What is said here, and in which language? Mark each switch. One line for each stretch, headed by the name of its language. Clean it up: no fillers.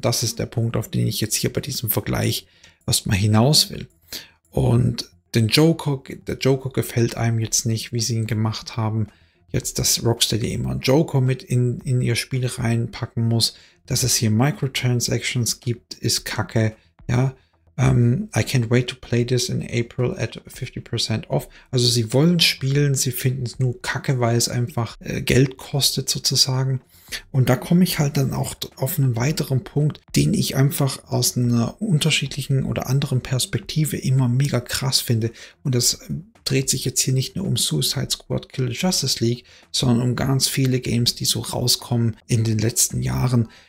German: Das ist der Punkt, auf den ich jetzt hier bei diesem Vergleich erstmal hinaus will. Und der Joker gefällt einem jetzt nicht, wie sie ihn gemacht haben. Jetzt, dass Rocksteady immer einen Joker mit in ihr Spiel reinpacken muss. Dass es hier Microtransactions gibt, ist kacke, ja.
English: I can't wait to play this in April at 50% off.
German: Also sie wollen spielen, sie finden es nur kacke, weil es einfach Geld kostet sozusagen. Und da komme ich halt dann auch auf einen weiteren Punkt, den ich einfach aus einer unterschiedlichen oder anderen Perspektive immer mega krass finde. Und das dreht sich jetzt hier nicht nur um Suicide Squad Kill Justice League, sondern um ganz viele Games, die so rauskommen in den letzten Jahren.